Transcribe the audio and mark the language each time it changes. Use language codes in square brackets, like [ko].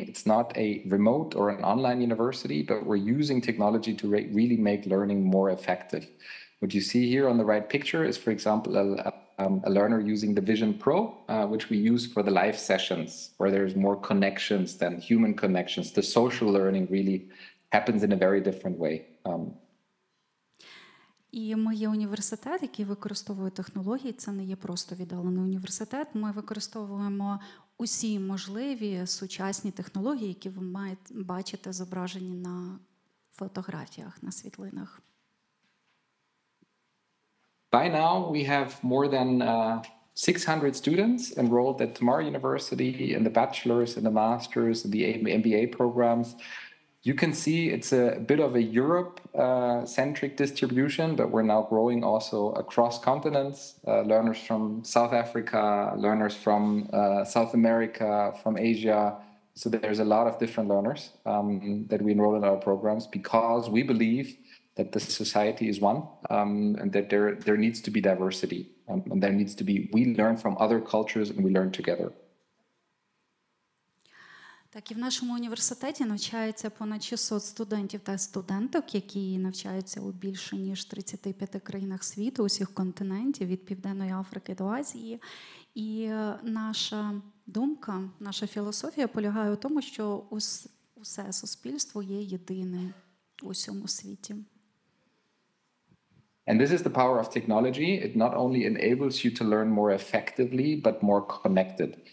[en] It's not a remote or an online university, but we're using technology to really make learning more effective. What you see here on the right picture is, for example, a learner using the Vision Pro, which we use for the live sessions, where there's more connections than human connections. The social learning really happens in a very different way. [uk] І ми є університет, який використовує технології. Це не є просто віддалений університет. Ми використовуємо усі можливі сучасні технології, які ви маєте бачити зображені на фотографіях, на світлинах. [en] By now, we have more than 600 students enrolled at Tamar University in the bachelor's and the master's and the MBA programs. You can see it's a bit of a Europe-centric distribution, but we're now growing also across continents. Learners from South Africa, learners from South America, from Asia. So there's a lot of different learners that we enroll in our programs because we believe that the society is one, and that there needs to be diversity, and there needs to be, we learn from other cultures and we learn together. [uk] Так, і в нашому університеті навчається понад 600 студентів та студенток, які навчаються у більше ніж 35 країнах світу, усіх континентів, від Південної Африки до Азії. І наша думка, наша філософія полягає у тому, що усе суспільство є єдине у всьому світі. [en] And this is the power of technology. It not only enables you to learn more effectively, but more connected.